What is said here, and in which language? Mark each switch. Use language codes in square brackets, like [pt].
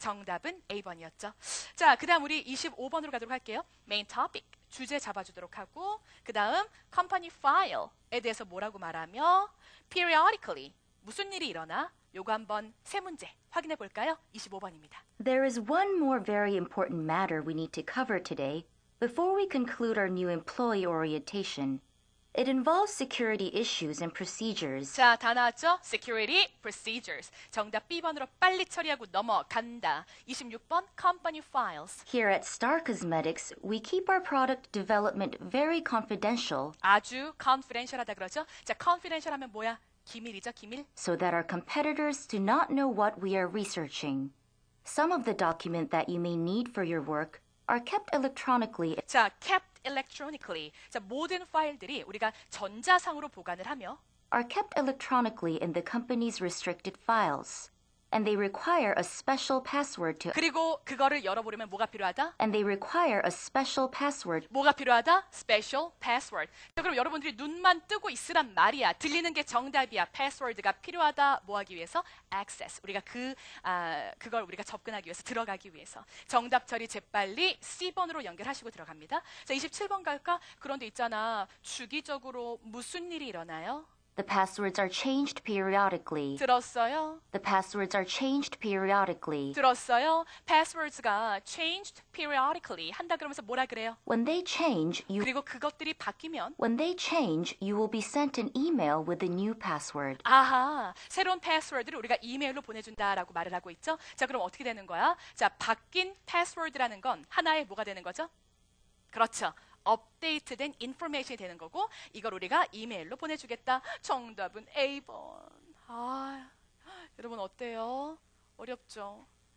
[ko] 정답은 A번이었죠. 자, 그 다음 우리 25번으로 가도록 할게요. Main topic, 주제 잡아주도록 하고 그 다음 company file에 대해서 뭐라고 말하며 periodically, 무슨 일이 일어나? 요거 한번 세 문제 확인해 볼까요? 25번입니다. [en] There is one more very important matter we need to cover today. Before we conclude our new employee orientation, it involves security issues and procedures. [ko] 자, 다 나왔죠? Security, procedures. 정답 B번으로 빨리 처리하고 넘어간다. 26번, company files. [en] Here at Star Cosmetics, we keep our product development very confidential. [ko] 아주 confidential하다 그러죠? 자, confidential 하면 뭐야? 기밀이죠, 기밀. [en] So that our competitors do not know what we are researching. Some of the document that you may need for your work are kept electronically. 자, kept electronically. [ko] 자, 모든 파일들이 우리가 전자상으로 보관을 하며 [en] are kept electronically in the company's restricted files. And they require a special password to [ko] 그리고 그거를 열어보려면 뭐가 필요하다? [en] And they require a special password. [ko] 뭐가 필요하다? [en] Special password. [ko] 자, 그럼 여러분들이 눈만 뜨고 있으란 말이야. 들리는 게 정답이야. Password가 필요하다. 뭐 하기 위해서? Access. 우리가 그걸 우리가 접근하기 위해서, 들어가기 위해서. 정답 처리 재빨리 C번으로 연결하시고 들어갑니다. 자, 27번 갈까? 그런데 있잖아. 주기적으로 무슨 일이 일어나요? [en] The passwords are changed periodically. [ko] 들었어요? [en] The passwords are changed periodically. [ko] 들었어요? Passwords가 [en] changed periodically [ko] 한다 그러면서 뭐라 그래요? [en] When they change, you [ko] 그리고 그것들이 바뀌면 [en] When they change, you will be sent an email with a new password. [ko] 아하. 새로운 password를 우리가 이메일로 보내 준다라고 말을 하고 있죠. 자, 그럼 어떻게 되는 거야? 자, 바뀐 password라는 건 하나의 뭐가 되는 거죠? 그렇죠. 업데이트된 인포메이션이 되는 거고 이걸 우리가 이메일로 보내주겠다. 정답은 A번. 아, 여러분 어때요? 어렵죠?